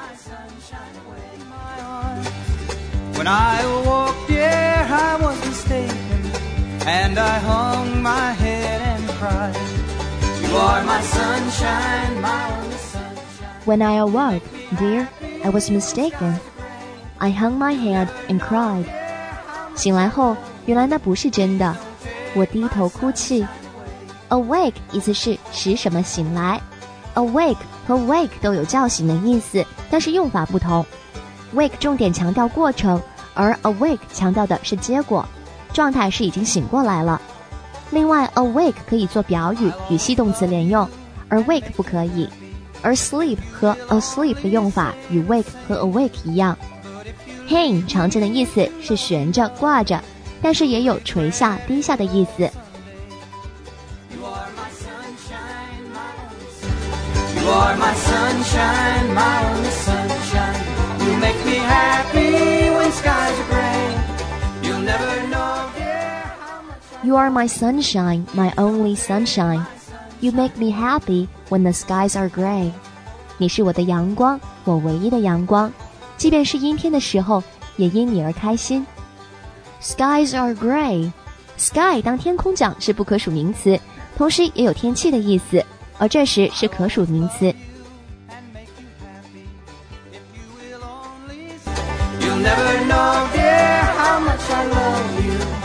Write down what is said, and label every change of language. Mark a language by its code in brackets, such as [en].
[en] When I awoke, yeah, I was mistaken, and I hung my head and cried. You are my sunshine, my only sunshine. When I awoke, dear, I was mistaken. I hung my head and cried. [zh] 醒来后，原来那不是真的，我低头哭泣。 Awake 意思是使什么醒来。Awake 和 wake 都有叫醒的意思，但是用法不同。 Wake 重点强调过程，而 awake 强调的是结果，状态是已经醒过来了。另外 awake 可以做表语与系动词连用，而 wake 不可以。而 sleep 和 asleep 的用法与 wake 和 awake 一样。 hang 常见的意思是悬着挂着，但是也有垂下低下的意思。 [en] You are my sunshine, my only sunshine. You make me happy when skies are gray. You'll never know You are my sunshine, my only sunshine. You make me happy when the skies are gray. [zh] 你是我的阳光，我唯一的阳光，即便是阴天的时候，也因你而开心。 [en] Skies are gray. [zh] Sky 当天空讲是不可数名词，同时也有天气的意思，而这时是可数名词。 [en] You'll never know, dear, how much I love you.